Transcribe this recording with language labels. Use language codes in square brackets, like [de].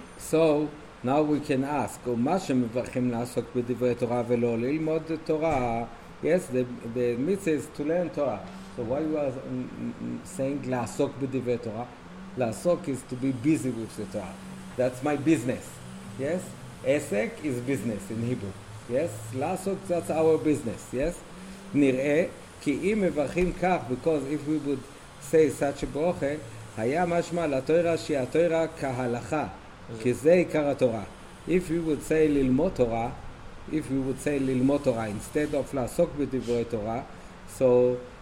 [en] So, now we can ask, [he] ומה שמברכים לעסוק בדברי תורה ולא ללמוד תורה, [en] Yes, the mitzvah is to learn Torah. So why you are saying [he] לעסוק בדברי תורה? [en] לעסוק is to be busy with the Torah. That's my business. Yes? עסק is business in Hebrew. Yes? לעסוק, that's our business. Yes? [he] נראה כי אם מברכים כך, [en] because if we would say such a [he] ברוכה, היה משמע לתורה שהיא התורה כהלכה, כי זה עיקר התורה. [en] If we would say [he] ללמוד תורה, [en] if we would say ללמוד תורה instead of [he] לעסוק בדברי תורה, [en] so